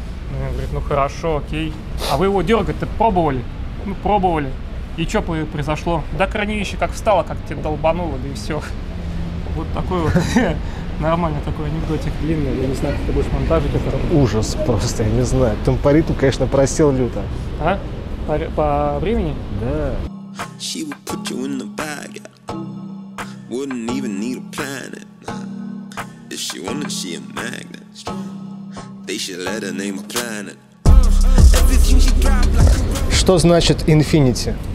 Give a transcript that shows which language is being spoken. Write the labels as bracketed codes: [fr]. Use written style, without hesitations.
[ru] Ну, он говорит, ну хорошо, окей. А вы его дергать-то пробовали? Ну, пробовали. И что произошло? Да хранилище как встало, как тебе долбануло, да и все. Вот такой вот. Нормально такой анекдотик длинный, я не знаю, как ты будешь монтажить это. Ужас просто, я не знаю. Там по ритму, конечно, просел люто. А? По времени? Да. [en] She would put you in the bag, yeah. Wouldn't even need a planet, nah. If she wanted, she a magnet. They should let her name a planet. [ru] Что значит infinity?